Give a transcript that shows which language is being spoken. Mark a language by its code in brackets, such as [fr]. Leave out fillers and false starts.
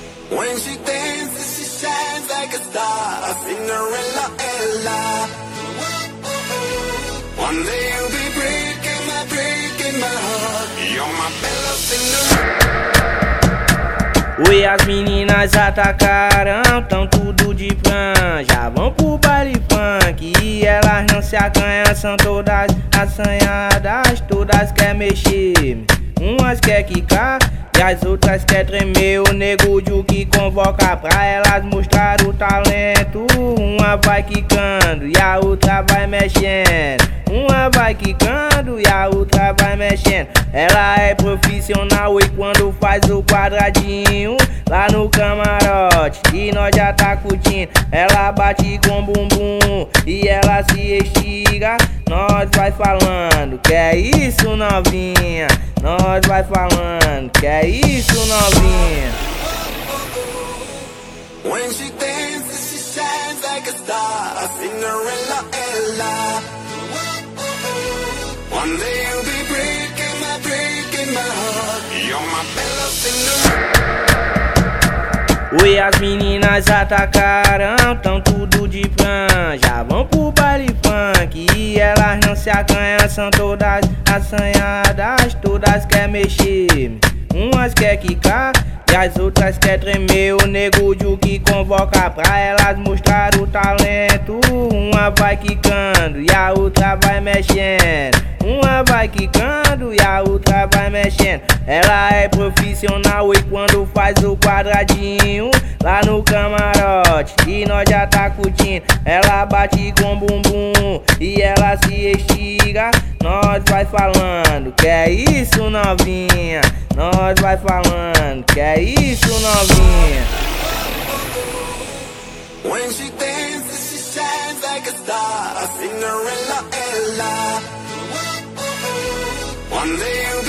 [en] When she dances, she shines like a star, a Cinderella Ella. One day you'll be breaking my heart. You're my Bella Cinderella. [pt] Oi, as meninas atacaram, tão tudo de franja. Já vão pro baile funk e elas não se acanham. São todas assanhadas, todas querem mexer. Umas quer quicar e as outras quer tremer. O nego Juki convoca pra elas mostrar o talento. Uma vai quicando e a outra vai mexendo. Uma vai quicando e a outra vai mexendo. Ela é profissional e quando faz o quadradinho lá no camarote e nós já tá curtindo. Ela bate com bumbum e ela se estiga. Nós vai falando, que é isso novinha. Nós vai falando, que é isso novinha. [en] When she dances, she shines like a star, a Cinderella Ella. One day you'll be breaking my heart. You're my Bella Cinderella. [pt] Oi, as meninas atacaram, tão tudo de franja. Já vão pro baile funk e elas não se acanham. São todas assanhadas, todas quer mexer. Umas quer quicar e as outras quer tremer. O nego Juki convoca pra elas mostrar o talento. Uma vai quicando e a outra vai mexendo. Uma vai quicando e a outra vai mexendo. Ela é profissional e quando faz o quadradinho lá no camarote e nós já tá curtindo. Ela bate com bumbum e ela se estiga. Nós vai falando, que é isso novinha. Nós vai falando, que é isso novinha. [en] When she dances, she shines like a star, a Cinderella Ella. One day.